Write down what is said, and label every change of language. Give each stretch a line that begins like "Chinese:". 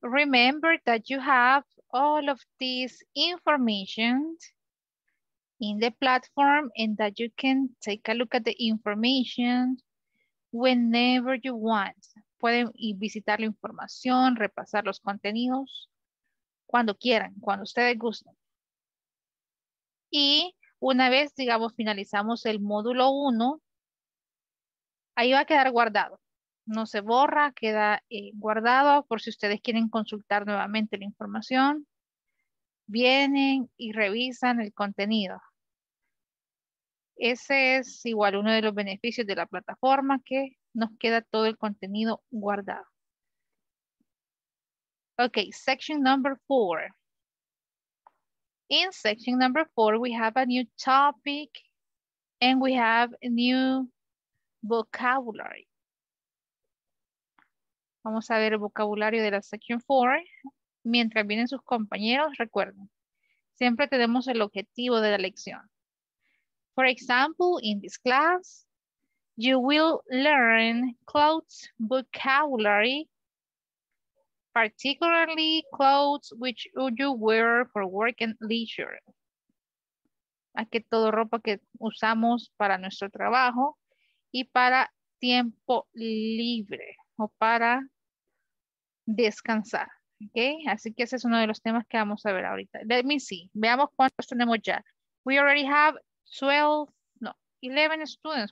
English: Remember that you have all of this information in the platform and that you can take a look at the information whenever you want.
Spanish: Pueden visitar la información, repasar los contenidos, cuando quieran, cuando ustedes gusten. Y una vez, digamos, finalizamos el módulo 1, ahí va a quedar guardado. No se borra, queda guardado por si ustedes quieren consultar nuevamente la información. Vienen y revisan el contenido. Ese es igual uno de los beneficios de la plataforma, que nos queda todo el contenido guardado.
English: Okay, section number 4. In section number 4, we have a new topic and we have a new vocabulary.
Spanish: Vamos a ver el vocabulario de la section 4. Mientras vienen sus compañeros, recuerden, siempre tenemos el objetivo de la lección.
English: For example, in this class, you will learn clothes vocabulary, particularly clothes which you wear for work and leisure.
Spanish: Aquí todo ropa que usamos para nuestro trabajo y para tiempo libre o para descansar. Okay? Así que ese es uno de los temas que vamos a ver ahorita.
English: Let me see.
Spanish: Veamos cuántos tenemos ya.
English: We already have 11 students.